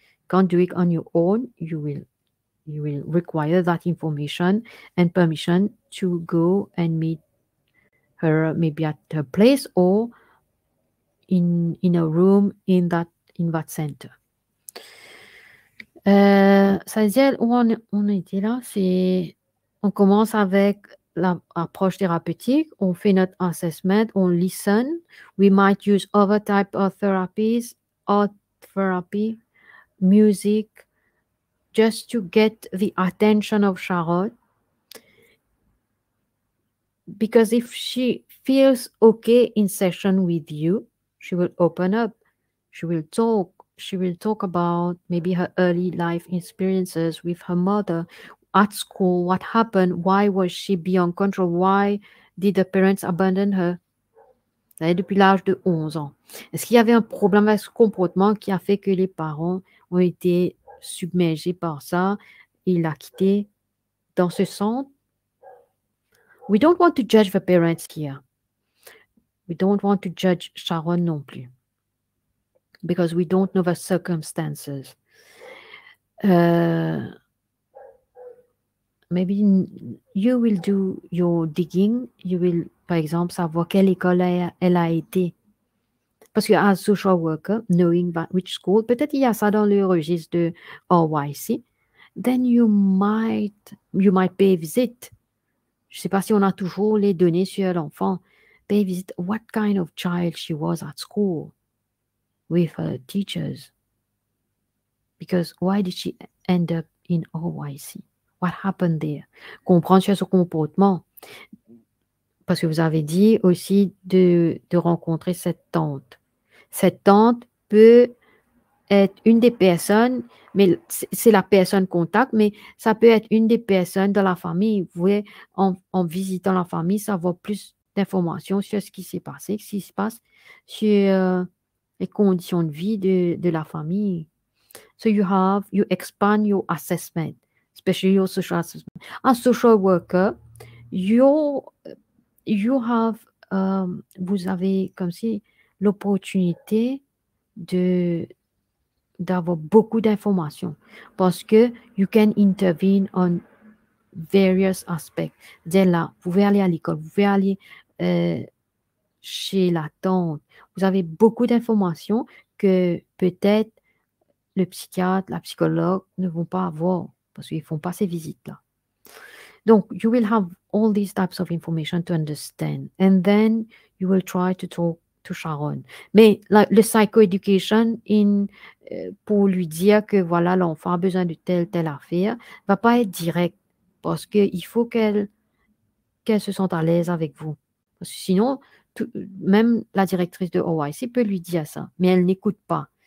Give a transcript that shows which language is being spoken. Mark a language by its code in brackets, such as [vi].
[en] Can't do it on your own. You will require that information and permission to go and meet her, maybe at her place or in a room in that center. [fr] Ça veut dire où on était là, c'est on commence avec l'approche thérapeutique, on fait notre assessment, on listen. [en] We might use other type of therapies, art therapy, music, just to get the attention of Charlotte. Because if she feels okay in session with you, she will open up, she will talk. She will talk about maybe her early life experiences with her mother at school. What happened? Why was she beyond control? Why did the parents abandon her? [fr] C'est-à-dire depuis l'âge de 11 ans. Est-ce qu'il y avait un problème avec ce comportement qui a fait que les parents ont été submergés par ça et l'a quitté dans ce centre? [en] We don't want to judge the parents here. We don't want to judge Sharon [fr] non plus. [en] Because we don't know the circumstances. Maybe you will do your digging. You will, [fr] par exemple, savoir quelle école elle a été. Parce que [en] as a social worker, knowing that which school, [fr] peut-être il y a ça dans le registre de [en] OYC, then you might pay a visit. [fr] Je ne sais pas si on a toujours les données sur l'enfant. [en] Pay a visit, what kind of child she was at school. With her teachers, because why did she end up in OYC? What happened there? [fr] Comprendre sur son comportement, parce que vous avez dit aussi de rencontrer cette tante. Cette tante peut être une des personnes, mais c'est la personne contact, mais ça peut être une des personnes de la famille. Vous voyez, en visitant la famille, savoir plus d'informations sur ce qui s'est passé, ce qui se passe sur les conditions de vie de la famille. [en] So you expand your assessment, especially your social assessment. As social worker, [fr] vous avez comme si l'opportunité d'avoir beaucoup d'informations parce que [en] you can intervene on various aspects. [fr] Dès là, vous pouvez aller à l'école, vous pouvez aller chez la tante. Vous avez beaucoup d'informations que peut-être le psychiatre, la psychologue ne vont pas avoir parce qu'ils ne font pas ces visites-là. [en] Donc, you will have all these types of information to understand. And then you will try to talk to Sharon. [fr] Mais le psychoeducation pour lui dire que voilà, l'enfant a besoin de telle affaire, ne va pas être direct parce qu'il faut qu'elle se sente à l'aise avec vous. Parce que sinon, même la directrice de OYC peut lui dire ça, mais elle n'écoute pas.